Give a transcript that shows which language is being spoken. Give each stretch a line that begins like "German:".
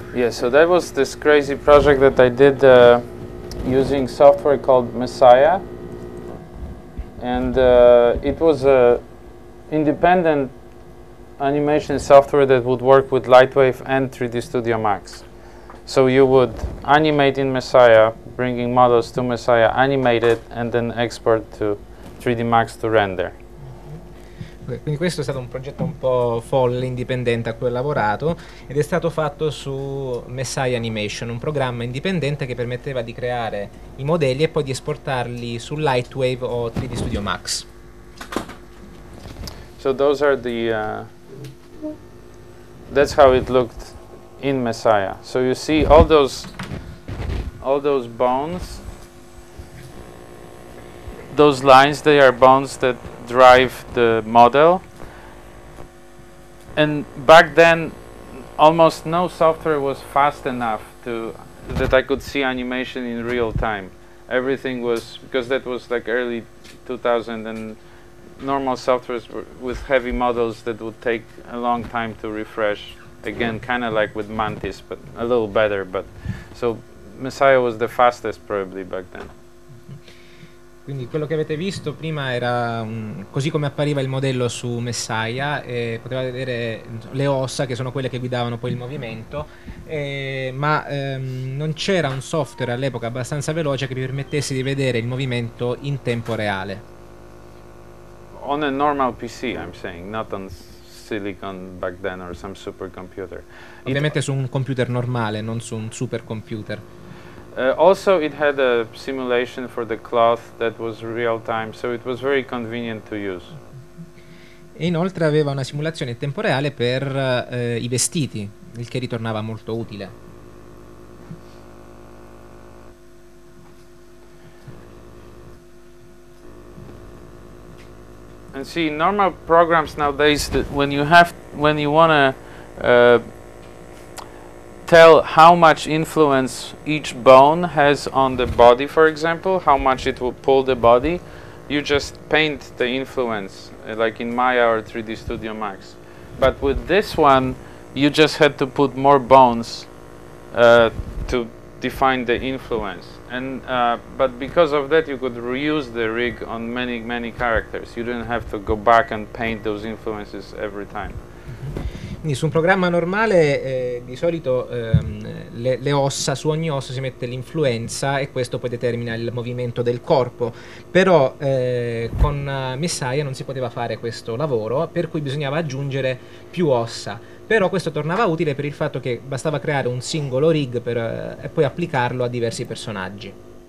English: So that was this crazy project that I did using software called Messiah, and it was a independent animation software that would work with Lightwave and 3D Studio Max. So you would animate in Messiah, bringing models to Messiah, animate it, and then export to 3D Max to render.
Italian: Quindi questo è stato un progetto un po' folle, indipendente, a cui ho lavorato, ed è stato fatto su Messiah Animation, un programma indipendente che permetteva di creare i modelli e poi di esportarli su Lightwave o 3D Studio Max.
English: So those are the that's how it looked in Messiah. So you see all those bones, those lines, they are bones that drive the model. And back then almost no software was fast enough to that I could see animation in real time. Everything was, because that was like early 2000, and normal softwares with heavy models that would take a long time to refresh again, kind of like with Mantis, but a little better. But so Messiah was the fastest probably back then.
Italian: Quindi quello che avete visto prima era così come appariva il modello su Messiah, e potevate vedere le ossa che sono quelle che guidavano poi il movimento, ma non c'era un software all'epoca abbastanza veloce che vi permettesse di vedere il movimento in tempo reale.
English: On a normal PC, I'm saying, not on silicon back then or some super computer.
Italian: Ovviamente su un computer normale, non su un super computer.
English: Also, it had a simulation for the cloth that was real time, so it was very convenient to use.
Italian: E inoltre aveva una simulazione tempo reale per i vestiti, il che ritornava molto utile.
English: And see, normal programs nowadays, when you want to tell how much influence each bone has on the body, for example, how much it will pull the body. You just paint the influence, like in Maya or 3D Studio Max. But with this one, you just had to put more bones to define the influence. But because of that, you could reuse the rig on many, many characters. You didn't have to go back and paint those influences every time.
Italian: Quindi su un programma normale di solito le ossa, su ogni ossa si mette l'influenza e questo poi determina il movimento del corpo, però con Messiah non si poteva fare questo lavoro, per cui bisognava aggiungere più ossa, però questo tornava utile per il fatto che bastava creare un singolo rig per, e poi applicarlo a diversi personaggi.